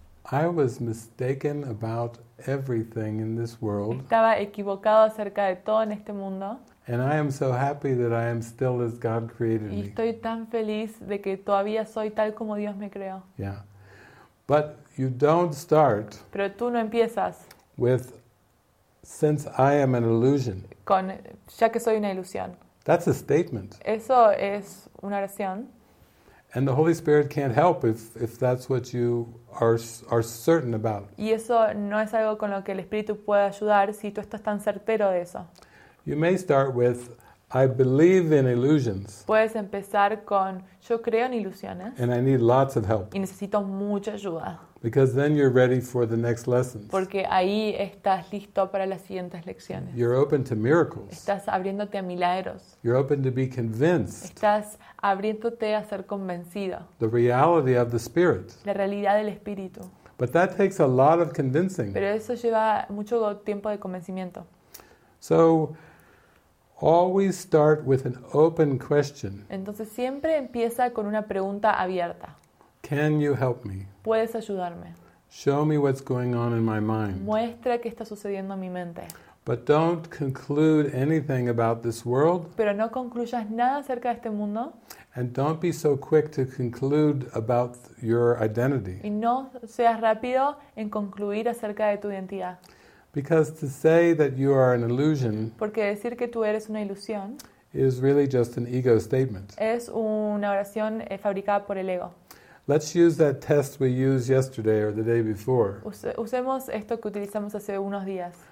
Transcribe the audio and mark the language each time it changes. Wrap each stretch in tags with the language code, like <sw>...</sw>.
<en>I was mistaken about everything in this world.</en> <es>Estaba equivocado acerca de todo en este mundo.</es> <en>And I am so happy that I am still as God created me.</en> <es>Y estoy tan feliz de que todavía soy tal como Dios me creó.</es> <en>Yeah, but you don't start.</en> <es>Pero tú no empiezas.</es> <en>With, since I am an illusion.</en> <es>Con ya que soy una ilusión.</es> <en>That's a statement.</en> <es>Eso es una oración.</es> <en>And the Holy Spirit can't help if that's what you are certain about.</en> <es>Y eso no es algo con lo que el Espíritu pueda ayudar si tú estás tan certero de eso.</es> <en>You may start with I believe in illusions.</en> <es>Puedes empezar con yo creo en ilusiones.</es> <en>And I need lots of help.</en> <es>Y necesito mucha ayuda.</es> <en>Because then you're ready for the next lessons.</en> <es>Porque ahí estás listo para las siguientes lecciones.</es> <en>You're open to miracles.</en> <es>Estás abriéndote a milagros.</es> <en>You're open to be convinced.</en> <es>Estás abriéndote a ser convencido.</es> <en>The reality of the spirit.</en> <es>La realidad del espíritu.</es> <en>But that takes a lot of convincing.</en> <es>Pero eso lleva mucho tiempo de convencimiento.</es> <en>So always start with an open question.</en> <es>Entonces siempre empieza con una pregunta abierta.</es> <en>Can you help me?</en> <es>¿Puedes ayudarme?</es> <en>Show me what's going on in my mind.</en> <es>Muestra qué está sucediendo en mi mente.</es> <en>But don't conclude anything about this world.</en> <es>Pero no concluyas nada acerca de este mundo.</es> <en>And don't be so quick to conclude about your identity.</en> <es>Y no seas rápido en concluir acerca de tu identidad.</es> <en>Because to say that you are an illusion,</en> <es>porque decir que tú eres una ilusión,</es> <en>is really just an ego statement.</en> <es>Es una oración fabricada por el ego.</es> <en>Let's use that test we used yesterday or the day before.</en> <es>Usemos esto que utilizamos hace unos días.</es>